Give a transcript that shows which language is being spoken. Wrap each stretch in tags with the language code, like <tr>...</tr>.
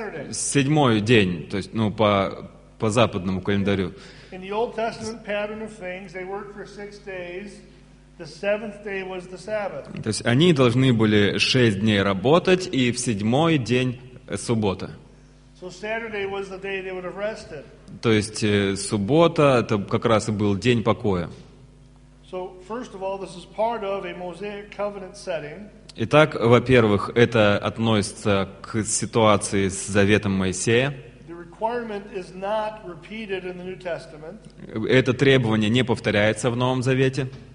<ru>Седьмой день, то есть, ну, по западному календарю.</ru> <en>In the Old Testament pattern of things, they worked for 6 days. The seventh day was the Sabbath.</en> <ru>То есть они должны были 6 дней работать, и в седьмой день — суббота.</ru> <en>So Saturday was the day they would have rested.</en> <ru>То есть суббота — это как раз и был день покоя.</ru> <en>So, first of all, this is part of a Mosaic covenant setting.</en> <ru>Итак, во-первых, это относится к ситуации с Заветом Моисея. Это требование не повторяется в Новом Завете.</ru>